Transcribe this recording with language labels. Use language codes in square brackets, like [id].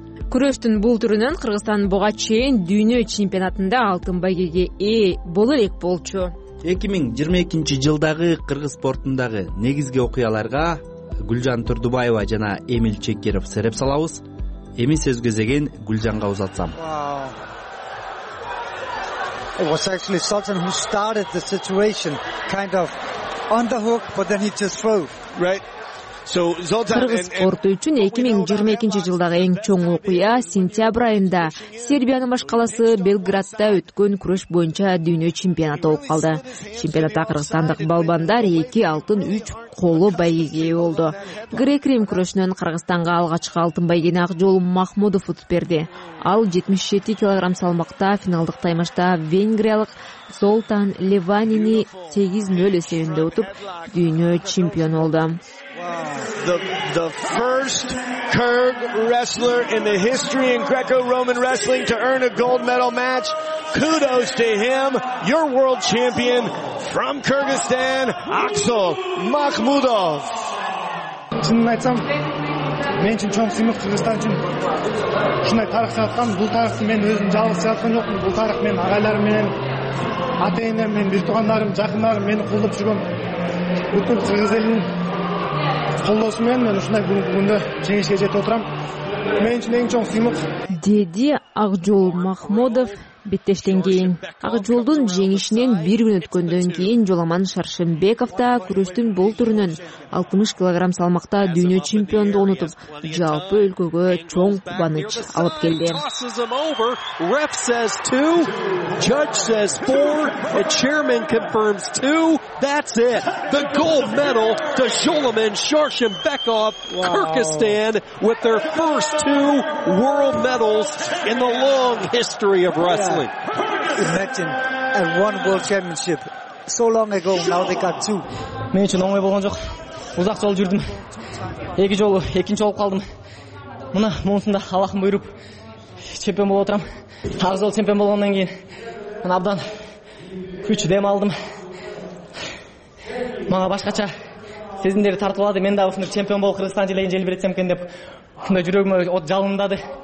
[ky] Күрөштүн бул түрүнөн Кыргызстан буга чейин дүйнө чемпионатында алтын байгеге ээ боло элек болчу. 2022 жылдагы кыргыз спортундагы негизги окуяларга Гүлжан Турдубаева жана Эмил Чекеров сөз салабыз. Эми сөз кезегин Гүлжанга узатсам. [en] It was actually Sultan who started the situation, kind of on the hook, but then he just threw. Right. So Zoltan [ky] and спорту үчүн 2022 жылдагы эң чоң окуя сентябрь айында Сербиянын баш каласы Белградда өткөн күрөш боюнча дүйнө чемпионаты болуп калды. Чемпионатта кыргызстандык балбандар 2 алтын, 3 коло байгеге ээ болду. Грек-рим күрөшүнөн Кыргызстанга алгачкы алтын байгени Ак жол Махмудов утуп берди. Ал 77 кг салмакта финалдык таймашта венгриялык Zoltan Levanini 8-0 эсебинде утуп дүйнө чемпион болду. [en] The first Kyrgyz wrestler in the history in Greco-Roman wrestling to earn a gold medal match. Kudos to him. Your world champion from Kyrgyzstan, Aksel Mahmudov. [ky] Чынын айтсам, мен үчүн чоң сыймык Кыргызстан үчүн ушундай тарых жараткан. Бул тарыхты мен өзүм жалгыз жараткан жокмун. Бул тарых менин агайларым менен, ата-энем менен, бир туугандарым, жакындарым мени колдоп жүргөн бүткүл кыргыз элинин колдоосу менен мен ушундай бүгүнкү күндө жеңишке жетип отурам. Мен үчүн эң чоң сыймык, деди Ак жол Махмудов беттештен кийин. Ак жолдун жеңишинен бир күн өткөндөн кийин Жоломан Шаршембеков да күрөштүн бул түрүнөн 60 кг салмакта дүйнө чемпиондугун утуп, жалпы өлкөгө чоң кубаныч алып келди. [en] Ref says 2, judge says 4, the chairman confirms 2. That's it. The gold medal to Жоломан Шаршембеков, Кыргызстан with their first 2 world medals in the long history of Russia. Imagine at one world championship so long ago, now they got 2. [ky] Мен үчүн оңой болгон жок. Узак жол жүрдүм. Эки жолу экинчи болуп калдым. Мына монсунда Аллахтын буйруп чемпион болуп отурам. Ак жол чемпион болгондон кийин мен абдан күч дем алдым. Мага башкача сезимдерди тартып алды. Мен дагы ушундай чемпион болуп Кыргызстан жерлегин желбиретсем экен деп мындай жүрөгүмө от жалындады.